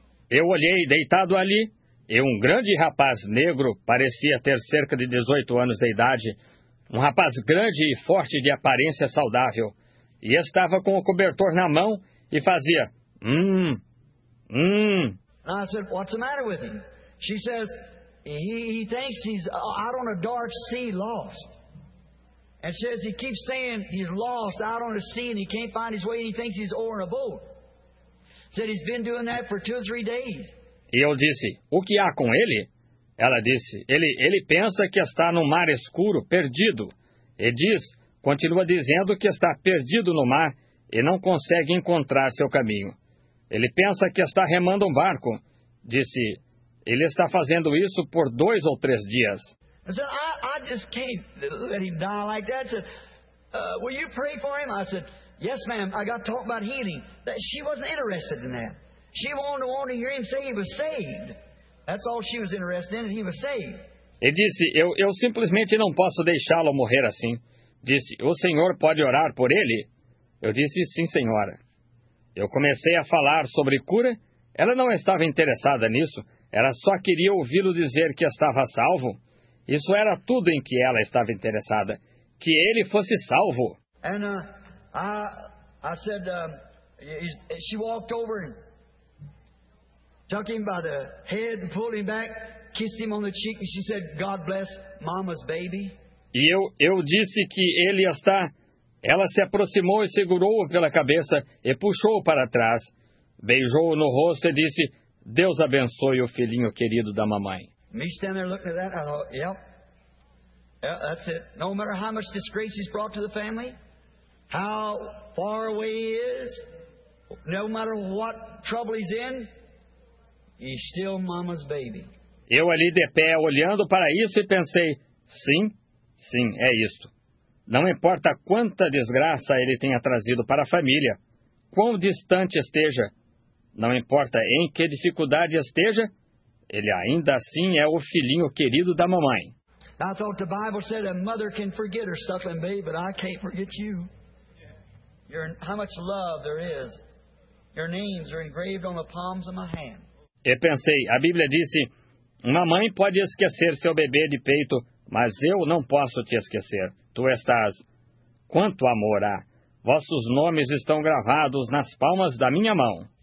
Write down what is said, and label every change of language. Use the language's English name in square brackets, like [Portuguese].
[Portuguese] Eu olhei deitado ali, e um grande rapaz negro, parecia ter cerca de 18 anos de idade, um rapaz grande e forte de aparência saudável, e estava com o cobertor na mão e fazia, [English] And I said, what's the matter with him? She says, he thinks he's out on a dark sea lost. And says he keeps saying he's lost out on a sea and he can't find his way and he thinks he's over in a boat. Said he's been doing that for two or three days. [Portuguese] E eu disse, o que há com ele? Ela disse, ele pensa que está no mar escuro, perdido. E diz, continua dizendo que está perdido no mar e não consegue encontrar seu caminho. Ele pensa que está remando um barco. Disse, ele está fazendo isso por dois ou três dias. [English] I said, I just can't let him die like that. I said, will you pray for him? I said, yes, ma'am, I got to talk about healing. She wasn't interested in that. She wanted to hear him say he was saved. That's all she was interested in, and he was saved. [Portuguese] E disse, eu simplesmente não posso deixá-lo morrer assim. Disse, o senhor pode orar por ele? Eu disse, sim, senhora. Eu comecei a falar sobre cura. Ela não estava interessada nisso. Ela só queria ouvi-lo dizer que estava salvo. Isso era tudo em que ela estava interessada. Que ele fosse salvo. [English] And I said, she walked over and took him by the head and pulled him back, kissed him on the cheek and she said, God bless mama's baby. [Portuguese] E eu disse que ele está... Ela se aproximou e segurou-o pela cabeça e puxou-o para trás. Beijou-o no rosto e disse, Deus abençoe o filhinho querido da mamãe. [English] Me standing there looking at that, I thought, yep. Yeah, that's it. No matter how much disgrace he's brought to the family, how far away he is, no matter what trouble he's in, he's still mama's baby. [Portuguese] Eu ali de pé olhando para isso e pensei, sim, sim, é isto. Não importa quanta desgraça ele tenha trazido para a família, quão distante esteja, não importa em que dificuldade esteja, ele ainda assim é o filhinho querido da mamãe. [English] I thought the Bible said a mother can forget her suffering baby, but I can't forget you. You're, how much love there is. Your names are engraved on the palms of my hand. [Portuguese] E pensei, a Bíblia disse, uma mãe pode esquecer seu bebê de peito, mas eu não posso te esquecer. Tu estás... Quanto amor há! Vossos nomes estão gravados nas palmas da minha mão.